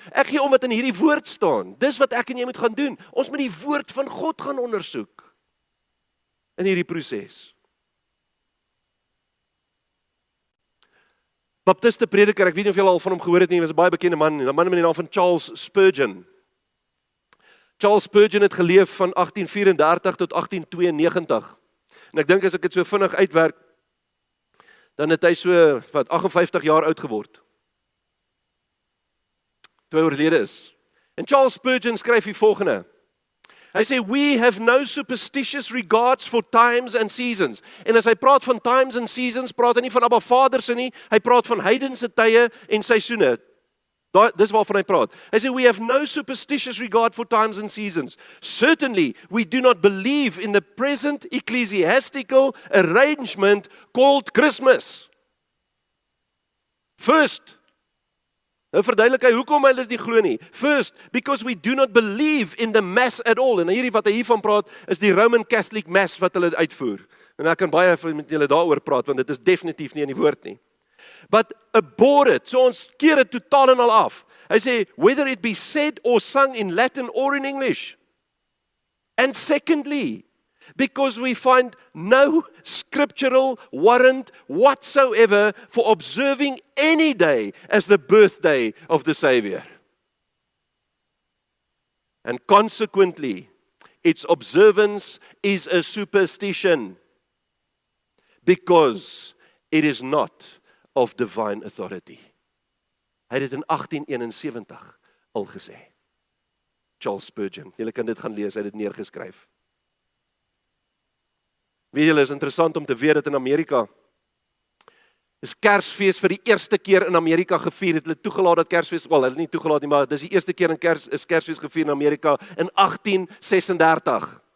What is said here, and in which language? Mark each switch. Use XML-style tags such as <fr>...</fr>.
<af>Ek gee om wat in hierdie woord staan. Dis wat ek en jy moet gaan doen. Ons moet die woord van God gaan ondersoek. In hierdie proses. Baptiste prediker, ek weet nie of jy al van hom gehoor het nie, hy was 'n baie bekende man, 'n man met die naam van Charles Spurgeon. Charles Spurgeon het geleef van 1834 tot 1892. En ek dink as ek het so vinnig uitwerk, dan het hy so, wat, 58 jaar oud geword. Toe hy oorlede is. En Charles Spurgeon skryf die volgende. Hy sê,</af> <en>we have no superstitious regards for times and seasons.</en> <af>En as hy praat van</af> <en>times and seasons,</en> <af>praat hy nie van Abba Vaderse nie, hy praat van heidense tye en seisoene. Dis waarvan hy praat. Hy sê,</af> <en>we have no superstitious regard for times and seasons. Certainly, we do not believe in the present ecclesiastical arrangement called Christmas. First,</en> <af>nou verduidelik hy, hoekom hy dit nie glo nie?</af> <en>First, because we do not believe in the mass at all.</en> <af>En hierdie wat hy hiervan praat, is die Roman Catholic mass wat hulle uitvoer. En ek kan baie met julle daaroor praat, want dit is definitief nie in die woord nie.</af> <en>But abhor it,</en> <af>so ons keer het totaal en al af. Hy sê,</af> <en>whether it be said or sung in Latin or in English. And secondly, because we find no scriptural warrant whatsoever for observing any day as the birthday of the Savior. And consequently, its observance is a superstition because it is not of divine authority.</en> <af>Hy het in 1871 al gesê. Charles Spurgeon, julle kan dit gaan lees, hy het dit neergeskryf. Weet julle, is interessant om te weet dat in Amerika is Kersfees vir die eerste keer in Amerika gevier, het hulle toegelaat dat Kersfees, wel, hulle nie toegelaat nie, maar dis die eerste keer in Kers, is Kersfees gevier in Amerika in 1836.</af>